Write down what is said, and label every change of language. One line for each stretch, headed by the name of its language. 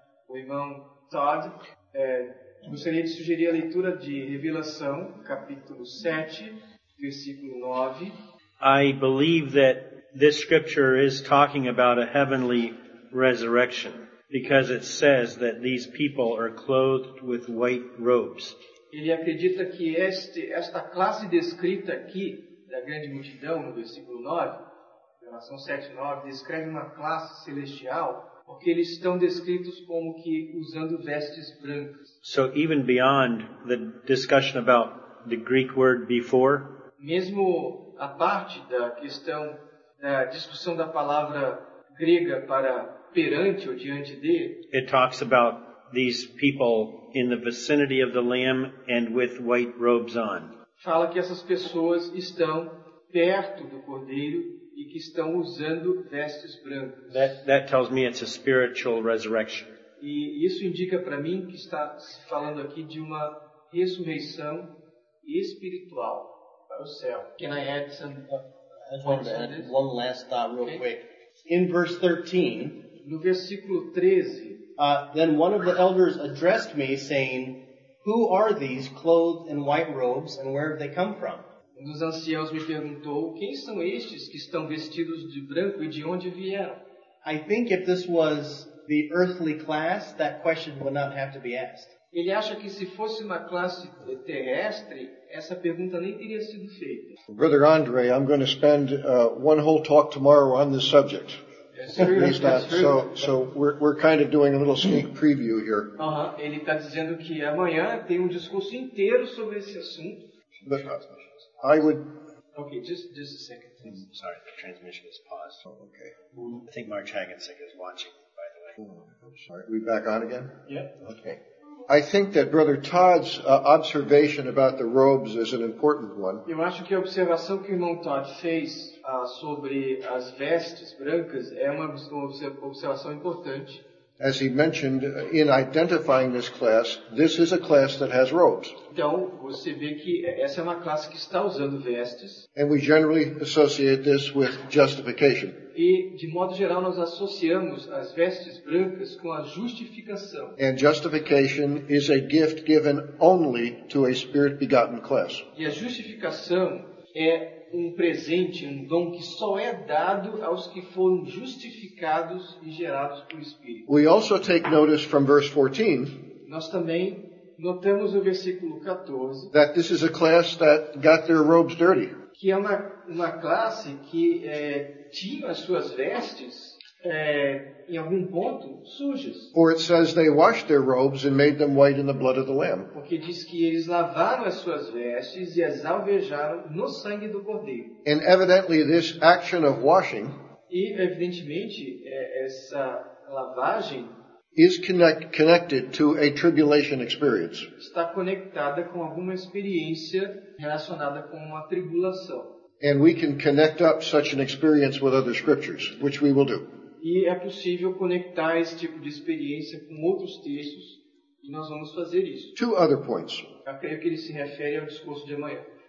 Portuguese: O irmão Todd gostaria de sugerir a leitura de Revelação, capítulo 7, versículo 9.
English: I believe that this scripture is talking about a heavenly resurrection, because it says that these people are clothed with white robes.
Portuguese: Ele acredita que esta classe descrita aqui, da grande multidão, no versículo 9, Revelação 7, 9, descreve uma classe celestial, porque eles estão descritos como que usando vestes brancas.
English: So even beyond the discussion about the Greek word before,
Portuguese: mesmo a parte da questão da discussão da palavra grega para perante ou diante de,
English: it talks about these people in the vicinity of the Lamb and with white robes on.
Portuguese: Fala que essas pessoas estão perto do Cordeiro e que estão usando vestes brancas.
English: That tells me it's a spiritual resurrection.
Portuguese: E isso indica para mim que está se falando aqui de uma ressurreição espiritual para o céu.
English: Can I add some points on this? One last thought, real quick. In verse 13,
Portuguese: no versículo 13,
English: then one of the elders addressed me, saying, Who are these clothed in white robes and where have they come from?
Portuguese: Um dos anciãos me perguntou, quem são estes que estão vestidos de branco e de onde vieram?
English: I think if this was the earthly class, that question would not have to be asked.
Portuguese: Ele acha que se fosse uma classe terrestre, essa pergunta nem teria sido feita.
English: Brother Andre, I'm going to spend one whole talk tomorrow on this subject. Yes, true. So we're kind of doing a little sneak preview here.
Portuguese: Ele está dizendo que amanhã tem discurso inteiro sobre esse assunto.
English: But, I would. Okay, just a second. Sorry, the transmission is paused. Oh, okay. I think Mark Hagensick is watching, by the way. Sorry, we back on again? Yeah. Okay. I think that Brother Todd's observation about the robes is an important one.
Portuguese: Eu acho que a observação que o irmão Todd fez sobre as vestes brancas é uma observação importante.
English: As he mentioned in identifying this is a class that has robes.
Portuguese: Então, você vê que essa é uma classe que está usando vestes.
English: And we generally associate this with justification.
Portuguese: E, de modo geral, nós associamos as vestes brancas com a justificação.
English: And justification is a gift given only to a spirit-begotten class.
Portuguese: E a justificação é um presente, um dom que só é dado aos que foram justificados e gerados por Espírito.
English: We also take notice from verse 14.
Portuguese: Nós também notamos no versículo 14.
English: That this is a class that got their robes dirty.
Portuguese: Que é uma classe que tinha as suas vestes em algum ponto sujas.
English: For it says they washed their robes and made them white in the blood of the Lamb.
Portuguese: Porque diz que eles lavaram as suas vestes e as alvejaram no sangue do Cordeiro.
English: And evidently this action of washing
Portuguese: e evidentemente essa lavagem
English: is connected to a tribulation experience.
Portuguese: Está conectada com alguma experiência relacionada com uma tribulação.
English: And we can connect up such an experience with other scriptures, which we will do.
Portuguese: E é possível conectar esse tipo de experiência com outros textos, e nós vamos fazer isso.
English: Two other points.
Portuguese: Eu creio que ele se refere ao discurso de amanhã.